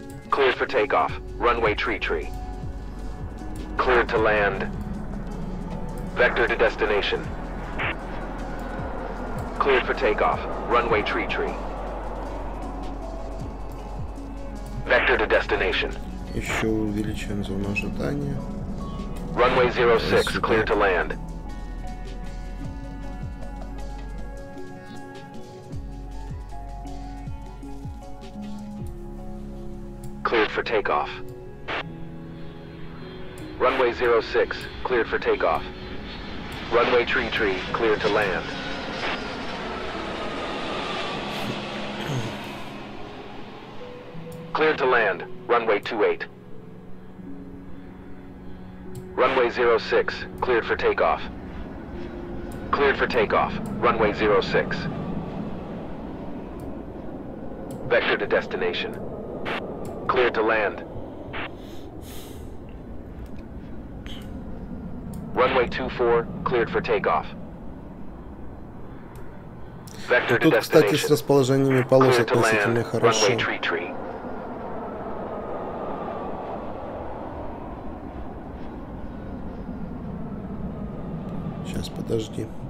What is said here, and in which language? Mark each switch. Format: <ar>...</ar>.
<en>Cleared for takeoff, runway tree tree. Cleared to land. Vector to destination. Cleared for takeoff, runway tree tree. Vector to destination.</en> <ru>Еще увеличен зону ожидания.</ru> <en>Runway 06, clear to land. Cleared for takeoff. Runway 06, cleared for takeoff. Runway tree tree, clear to land. Cleared to land, runway 28. Runway 06, cleared for takeoff. Cleared for takeoff. Runway 06. Vector to destination. Cleared to land. Runway 24, cleared for takeoff. Vector to destination.</en> <ru>Тут, кстати, с расположениями полос относительно хорошо. Сейчас, подожди.</ru>